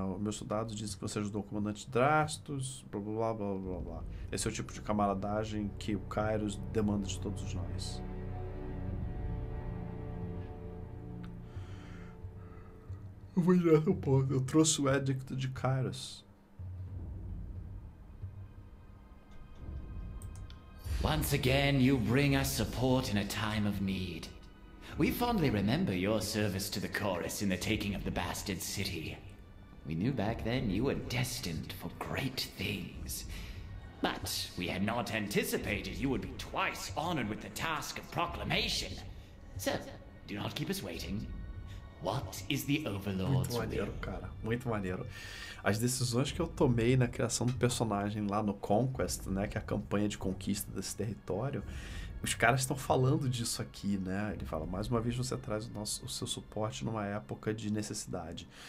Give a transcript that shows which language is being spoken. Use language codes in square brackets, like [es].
[pt] O meu soldado disse que você ajudou o comandante Drastus, blá, blá, blá, blá, blá. Esse é o tipo de camaradagem que o Kairos demanda de todos nós. Eu vou ir no ponto. Eu trouxe o Edicto de Kairos. [en] Once again, you bring us support in a time of need. We fondly remember your service to the Chorus in the taking of the Bastard City. We knew back then you were destined for great things. But we had not anticipated you would be twice honored with the task of proclamation. So, do not keep us waiting. What is the Overlord's [pt] Muito maneiro, cara. Muito maneiro. As decisões que eu tomei na criação do personagem lá no Conquest, né? Que é a campanha de conquista desse território. Os caras estão falando disso aqui, né? Ele fala: mais uma vez você traz o seu suporte numa época de necessidade.